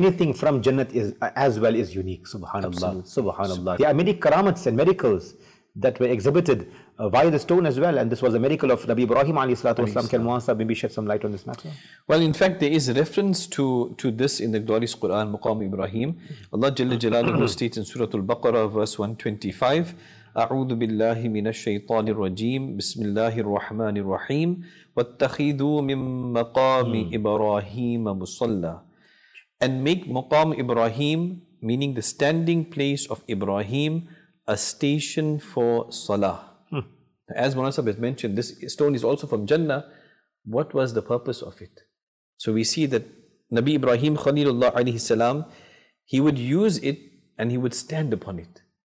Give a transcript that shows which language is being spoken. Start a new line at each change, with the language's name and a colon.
English: So anything from Jannat is as well is unique. Subhanallah. Subhanallah. There are many karamats and miracles that were exhibited via the stone as well. And this was a miracle of Nabi Ibrahim alayhi salatu wasalam. Can Muasa maybe shed some light on this matter? Well, in fact, there is reference to this in the glorious Quran, Maqam Ibrahim. Allah Jalla Jalaluhu states in Surah Al-Baqarah verse 125,
Arabic: أعوذ بالله من الشيطان الرجيم بسم الله الرحمن الرحيم واتخذوا من مقام إبراهيم مصلى.
English: And make مقام إبراهيم, meaning the standing place of Ibrahim, a station for salah. As Munasab has mentioned, this stone is also from Jannah. What was the purpose of it? So we see that Nabi Ibrahim Khalilullah alayhi salam, he would use it and he would stand upon it.